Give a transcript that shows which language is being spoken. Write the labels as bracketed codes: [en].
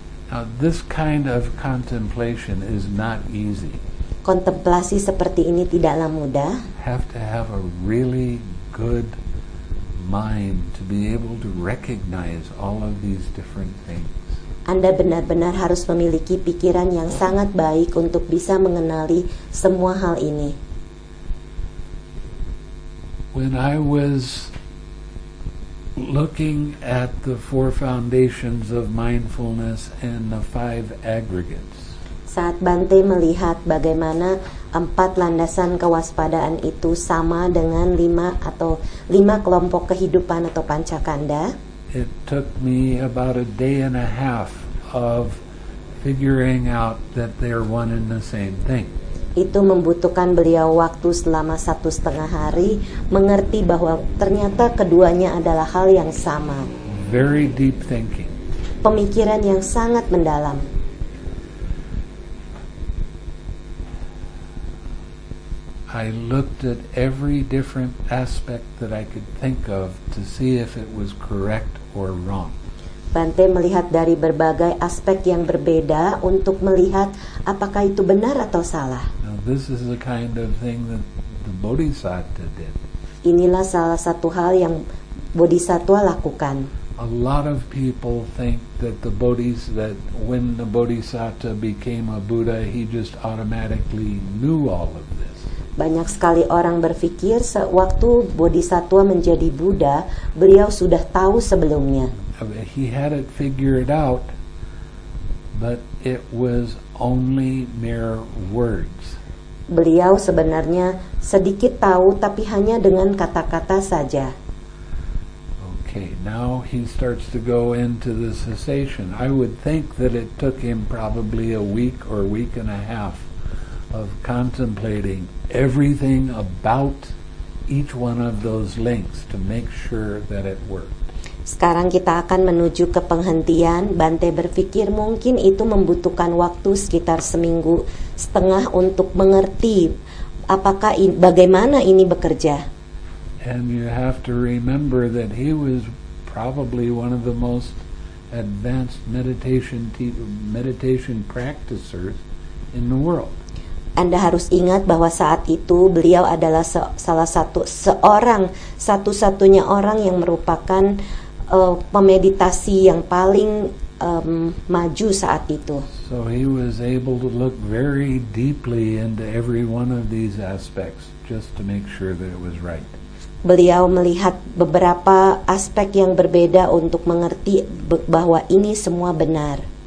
[en] Now, this kind of contemplation is not easy. [id] Kontemplasi seperti ini tidaklah mudah. [en] Have to have a really good mind to be able to recognize all of these different things. [id] Anda benar-benar harus memiliki pikiran yang sangat baik untuk bisa mengenali semua hal ini. [en] When I was looking at the four foundations of mindfulness and the five aggregates. [id] Saat Bante melihat bagaimana empat landasan kewaspadaan itu sama dengan lima kelompok kehidupan atau pancakanda. [en] It took me about a day and a half of figuring out that they're one and the same thing. [id] Itu membutuhkan beliau waktu selama satu setengah hari mengerti bahwa ternyata keduanya adalah hal yang sama. [en] Very deep thinking. [id] Pemikiran yang sangat mendalam. [en] I looked at every different aspect that I could think of to see if it was correct or wrong. [id] Bante melihat dari berbagai aspek yang berbeda untuk melihat apakah itu benar atau salah. [en] This is the kind of thing that the Bodhisattva did. [id] Inilah salah satu hal yang Bodhisattva lakukan. [en] A lot of people think that when the Bodhisattva became a Buddha, he just automatically knew all of this. [id] Banyak sekali orang berpikir sewaktu Bodhisattva menjadi Buddha, beliau sudah tahu sebelumnya. [en] He had it figured out, But it was only mere words. [id] Beliau sebenarnya sedikit tahu, tapi hanya dengan kata-kata saja. [en] Okay, now he starts to go into the cessation. I would think that it took him probably a week or a week and a half of contemplating everything about each one of those links to make sure that it worked. [id] Sekarang kita akan menuju ke penghentian. Bante berpikir mungkin itu membutuhkan waktu sekitar seminggu setengah untuk mengerti apakah bagaimana ini bekerja. [en] And you have to remember that he was probably one of the most advanced meditation practitioners in the world. [id] Anda harus ingat bahwa saat itu beliau adalah satu-satunya orang yang merupakan pemeditasi yang paling maju saat itu. [en] So he was able to look very deeply into every one of these aspects just to make sure that it was right. [id] Beliau melihat beberapa aspek yang berbeda untuk mengerti bahwa ini semua benar.